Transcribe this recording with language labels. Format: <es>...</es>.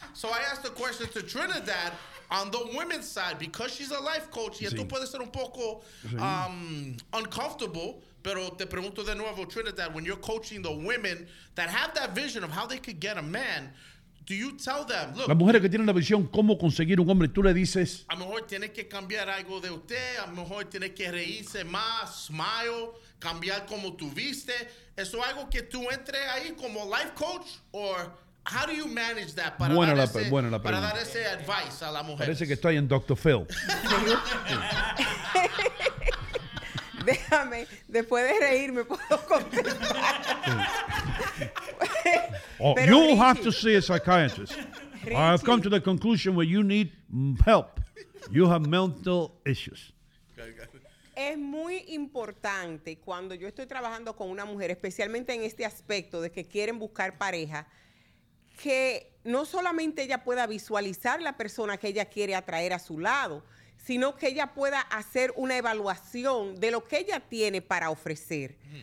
<en>So I asked the question to Trinidad on the women's side, because she's a life coach,</en> <es>y tú puedes ser un poco uncomfortable, pero te pregunto de nuevo, Trinidad,</es> <en>when you're coaching the women that have that vision of how they could get a man, do you tell them, look...</en> <es>Las mujeres que tienen la visión cómo conseguir un hombre, tú le dices... A lo mejor tiene que cambiar algo de usted, a lo mejor tiene que reírse más, smile, cambiar como tú viste. ¿Eso algo que tú entre ahí como life coach or...</es> <en>How do you manage that para,</en> <es>buena dar, la, ese, buena la para dar ese advice a la mujer? Parece que estoy en Dr. Phil. Déjame, después de reírme puedo contestar.</es> <en>Oh, you will have to see a psychiatrist. I have come to the conclusion where you need help. You have mental issues.</en> <es>Es muy importante cuando yo estoy trabajando con una mujer, especialmente en este aspecto de que quieren buscar pareja, que no solamente ella pueda visualizar la persona que ella quiere atraer a su lado, sino que ella pueda hacer una evaluación de lo que ella tiene para ofrecer.</es>